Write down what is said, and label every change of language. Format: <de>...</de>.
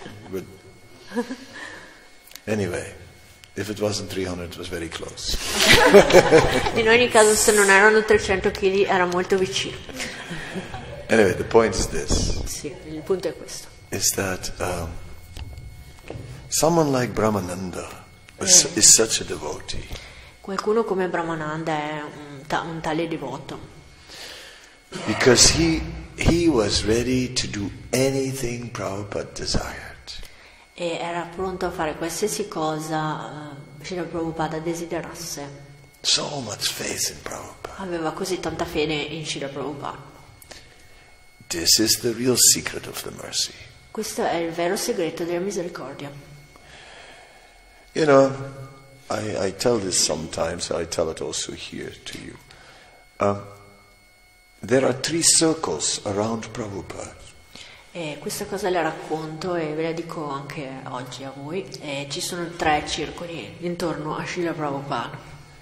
<en>But anyway, if it wasn't 300, it was very close.</en> <it>In ogni caso, se non erano 300 kg, era molto vicino.</it> <en>Anyway, the point is this.</en> <it>Sì, il punto è questo.</it> <en>Is that someone like Brahmananda is such a devotee?</en> <it>Qualcuno come Brahmananda è un tale devoto.</it> <en>Because he was ready to do anything Prabhupada desired.</en> <it>E era pronto a fare qualsiasi cosa Srila Prabhupada desiderasse.</it> <en>So much faith in Prabhupada.</en> <it>Aveva così tanta fede in Srila Prabhupada.</it> <en>This is the real secret of the mercy.</en> <it>Questo è il vero segreto della misericordia.</it> <en>You know, I tell this sometimes, I tell it also here to you. There are three circles around Prabhupada.</en> <it>E questa cosa la racconto e ve la dico anche oggi a voi. E ci sono tre circoli intorno a Srila Prabhupada.</it>